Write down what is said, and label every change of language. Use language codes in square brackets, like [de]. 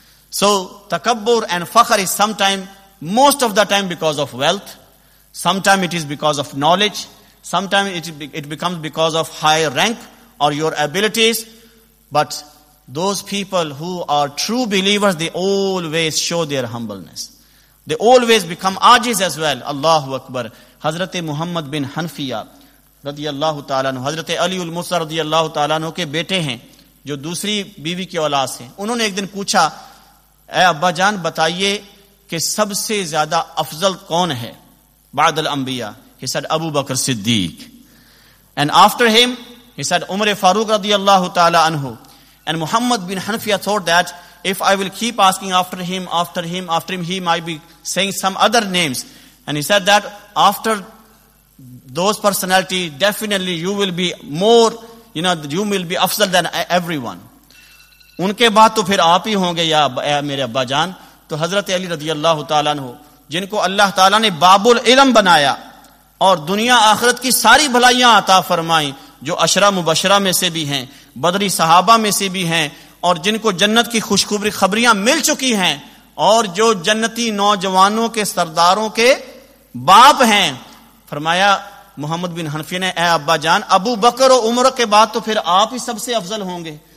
[en] So takabbur and fakhr is sometimes, most of the time, because of wealth, sometimes it is because of knowledge, sometimes it becomes because of high rank or your abilities. But those people who are true believers, they always show their humbleness, they always become ajiz as well. Allahu Akbar. [ur] Hazrat Muhammad bin Hanfiya رضی اللہ تعالیٰ عنہ, حضرت علی المصر رضی اللہ تعالیٰ عنہ کے بیٹے ہیں جو دوسری بیوی کی اولاد سے, انہوں نے ایک دن پوچھا, اے ابا جان بتائیے کہ سب سے زیادہ افضل کون ہے بعد الانبیاء؟ [en] He said [ur] Abu Bakr Siddiq, [en] and after him he said [ur] عمر فاروق رضی اللہ تعالیٰ عنہ. [en] And Muhammad bin Hanafiyyah thought that if I will keep asking after him, he might be saying some other names, and he said that after those personality definitely you will be more, you know, you will be افضل than everyone. [ur] ان کے بعد تو پھر آپ ہی ہوں گے یا میرے ابا جان. تو حضرت علی رضی اللہ تعالیٰ عنہ, جن کو اللہ تعالیٰ نے باب العلم بنایا اور دنیا آخرت کی ساری بھلائیاں عطا فرمائیں, جو عشرہ مبشرہ میں سے بھی ہیں, بدری صحابہ میں سے بھی ہیں, اور جن کو جنت کی خوشخبری خبریاں مل چکی ہیں, اور جو جنتی نوجوانوں کے سرداروں کے باپ ہیں, فرمایا محمد بن حنفی نے, اے ابا جان ابو بکر و عمر کے بعد تو پھر آپ ہی سب سے افضل ہوں گے.